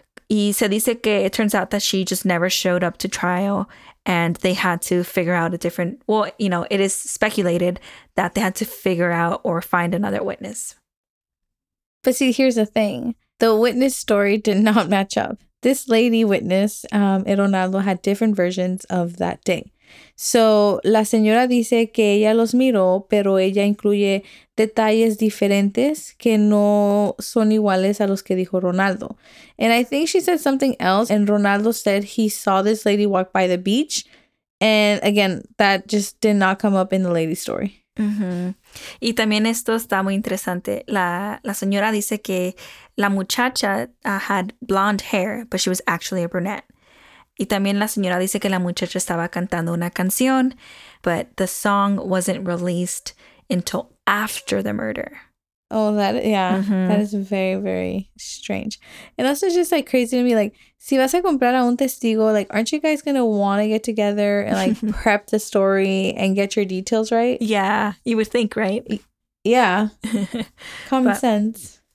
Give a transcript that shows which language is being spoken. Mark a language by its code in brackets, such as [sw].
[es] Y se dice que [en] it turns out that she just never showed up to trial and they had to figure out a different, well, you know, it is speculated that they had to figure out or find another witness. But see, here's the thing. The witness story did not match up. This lady witness and Ronaldo had different versions of that day. [es] So, la señora dice que ella los miró, pero ella incluye detalles diferentes que no son iguales a los que dijo Ronaldo. [en] And I think she said something else, and Ronaldo said he saw this lady walk by the beach. And again, that just did not come up in the lady's story. Mm-hmm. [es] Y también esto está muy interesante. La señora dice que la muchacha [en] had blonde hair, but she was actually a brunette. [es] Y también la señora dice que la muchacha estaba cantando una canción, [en] but the song wasn't released until after the murder. Oh, that, yeah, mm-hmm. that is very, very strange. And also just like crazy to me, like, [es] si vas a comprar a un testigo, [en] like, aren't you guys going to want to get together and like prep the story and get your details right? Yeah, you would think, right? Yeah. Common sense.